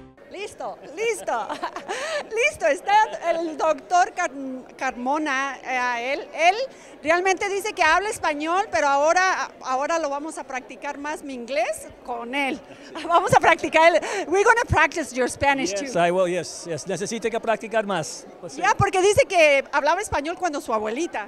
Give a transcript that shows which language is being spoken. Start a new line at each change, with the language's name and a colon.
Spanish: Listo, está el doctor Carmona, él realmente dice que habla español, pero ahora lo vamos a practicar más mi inglés con él. Vamos a practicar,
English: we're going to practice your Spanish yes, too. Yes, I will, yes, yes,
Spanish: necesito que practicar más. Ya, yeah, porque dice que hablaba español cuando su abuelita.